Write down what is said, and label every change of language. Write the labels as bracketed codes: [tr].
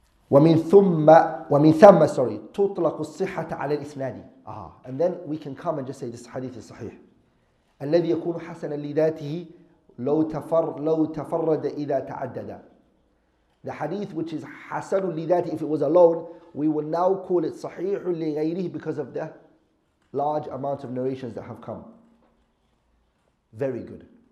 [ar] ومن ثم تطلق الصحة على الإسناد. [en] And then we can come and just say this hadith is sahih. [ar] الذي يكون حسنا لذاته لو تفرد إذا تعدد. [en] The hadith which is حسن لذاته, if it was alone, we will now call it صحيح لغيره because of the large amount of narrations that have come. Very good.